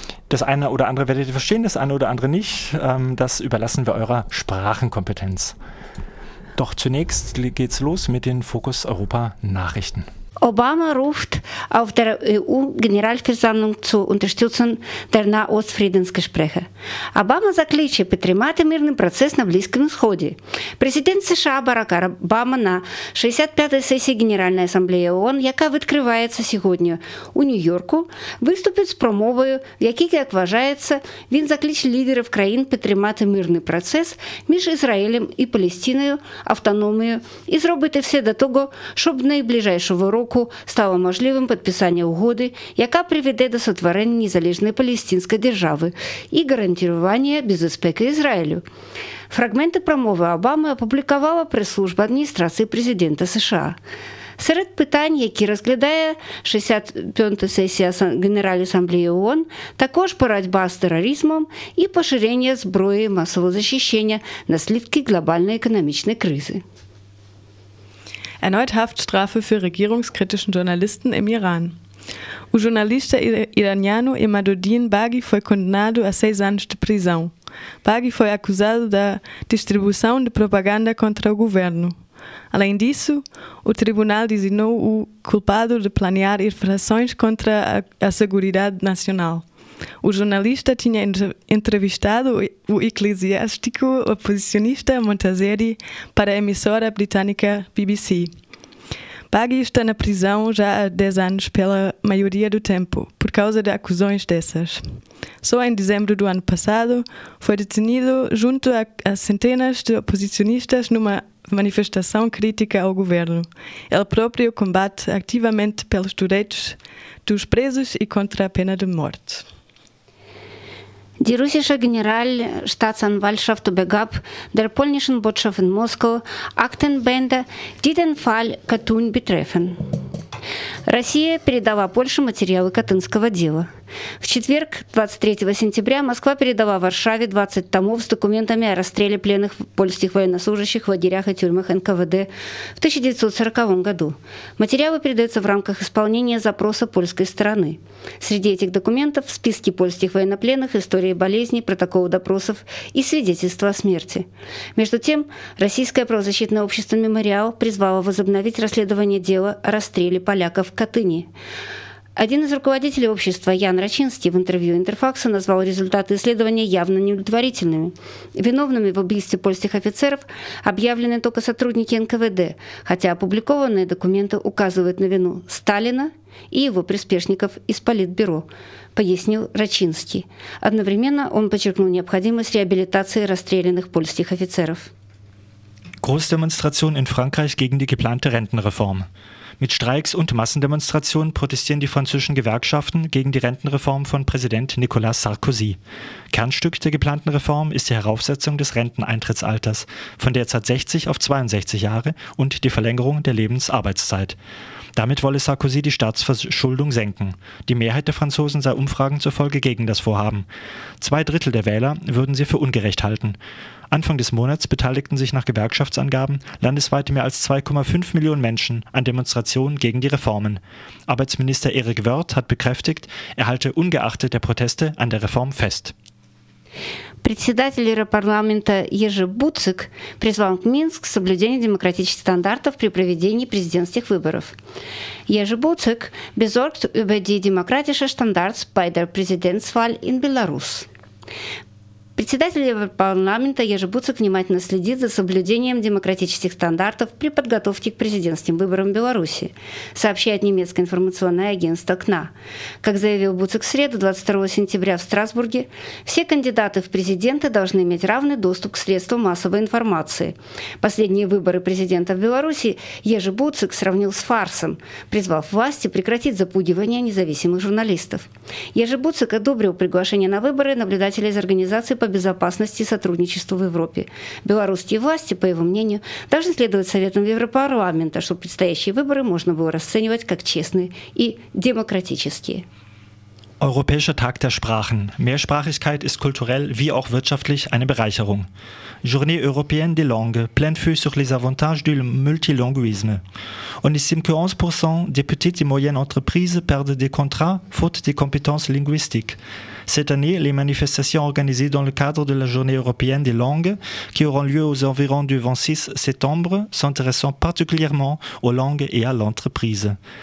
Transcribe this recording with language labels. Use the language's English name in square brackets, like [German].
[German] Das eine oder andere werdet ihr verstehen, das eine oder andere nicht. Das überlassen wir eurer Sprachenkompetenz. Doch zunächst geht's los mit den Fokus Europa Nachrichten. Obama ruft auf der EU-Generalversammlung zu Unterstützung der Nahost-Friedensgespräche. [Ukrainian] Obama закличе підтримати мирний процес на Близькому Сході. Президент США Барак Обама на 65-й сесії Генеральної асамблеї ООН, яка відкривається сьогодні у Нью-Йорку, виступить з промовою, в якій, як вважається, він закличе лідерів країн підтримати мирний процес між Ізраїлем і Палестиною, автономією, і зробити все до того, щоб найближчого року стало можливим підписання угоди, яка приведе до сотворення незалежної палестинської держави і гарантування безпеки Ізраїлю. Фрагменти промови Обами опублікувала прес-служба адміністрації президента США. Серед питань, які розглядає 65-та сесія Генеральної асамблеї ООН, також боротьба з тероризмом і поширення зброї масового захищення наслідки глобальної економічної кризи. [German] Erneut Haftstrafe für regierungskritischen Journalisten im Iran. [Portuguese] Un journalista iraniano Imaduddin Baghi foi condenado a 6 anos de prisão. Baghi foi acusado da distribuição de propaganda contra o governo. Além disso, o tribunal designou o culpado de planear infrações contra a Seguridade Nacional. O jornalista tinha entrevistado o eclesiástico oposicionista Montazeri para a emissora britânica BBC. Baghi está na prisão já há 10 anos pela maioria do tempo, por causa de acusações dessas. Só em dezembro do ano passado, foi detenido junto a centenas de oposicionistas numa manifestação crítica ao governo. Ele próprio combate ativamente pelos direitos dos presos e contra a pena de morte. [German] Die russische Generalstaatsanwaltschaft begab der polnischen Botschaft in Moskau Aktenbände, die den Fall Katyn betreffen. [Russian] Россия передала Польше материалы Катынского дела. В четверг, 23 сентября, Москва передала Варшаве 20 томов с документами о расстреле пленных польских военнослужащих в лагерях и тюрьмах НКВД в 1940 году. Материалы передаются в рамках исполнения запроса польской стороны. Среди этих документов – списки польских военнопленных, истории болезней, протоколы допросов и свидетельства о смерти. Между тем, российское правозащитное общество «Мемориал» призвало возобновить расследование дела о расстреле поляков в Катыни. Один из руководителей общества, Ян Рачинский, в интервью Интерфаксу назвал результаты исследования явно неудовлетворительными. Виновными в убийстве польских офицеров объявлены только сотрудники НКВД, хотя опубликованные документы указывают на вину Сталина и его приспешников из Политбюро, пояснил Рачинский. Одновременно он подчеркнул необходимость реабилитации расстрелянных польских офицеров. [German] Großdemonstration in Frankreich gegen die geplante Rentenreform. Mit Streiks und Massendemonstrationen protestieren die französischen Gewerkschaften gegen die Rentenreform von Präsident Nicolas Sarkozy. Kernstück der geplanten Reform ist die Heraufsetzung des Renteneintrittsalters von derzeit 60 auf 62 Jahre und die Verlängerung der Lebensarbeitszeit. Damit wolle Sarkozy die Staatsverschuldung senken. Die Mehrheit der Franzosen sei Umfragen zufolge gegen das Vorhaben. 2/3 der Wähler würden sie für ungerecht halten. Anfang des Monats beteiligten sich nach Gewerkschaftsangaben landesweit mehr als 2,5 Millionen Menschen an Demonstrationen gegen die Reformen. Arbeitsminister Eric Wörth hat bekräftigt, er halte ungeachtet der Proteste an der Reform fest. [Russian] Председатель Европарламента Ежи Буцик призвал к Минск соблюдение демократических стандартов при проведении президентских выборов. [German] Ежи Буцик besorgt über die demokratischen Standards bei der Präsidentswahl in Belarus. [Russian] Председатель Европарламента Ежи Буцик внимательно следит за соблюдением демократических стандартов при подготовке к президентским выборам в Беларуси, сообщает немецкое информационное агентство КНА. Как заявил Буцик в среду 22 сентября в Страсбурге, все кандидаты в президенты должны иметь равный доступ к средствам массовой информации. Последние выборы президента в Беларуси Ежи Буцик сравнил с фарсом, призвав власти прекратить запугивание независимых журналистов. Ежи Буцик одобрил приглашение на выборы наблюдателя из организации по безопасности и сотрудничеству в Европе. Белорусские власти, по его мнению, должны следовать советам Европарламента, чтобы предстоящие выборы можно было расценивать как честные и демократические. [German] Europäischer Tag der Sprachen. Mehrsprachigkeit ist kulturell wie auch wirtschaftlich eine Bereicherung. [French] Journée européenne des langues plaint fut sur les avantages du multilinguisme. On estime que 11% des petites et moyennes entreprises perdent des contrats faute des compétences linguistiques. Cette année, les manifestations organisées dans le cadre de la Journée européenne des langues, qui auront lieu aux environs du 26 septembre, s'intéressant particulièrement aux langues et à l'entreprise.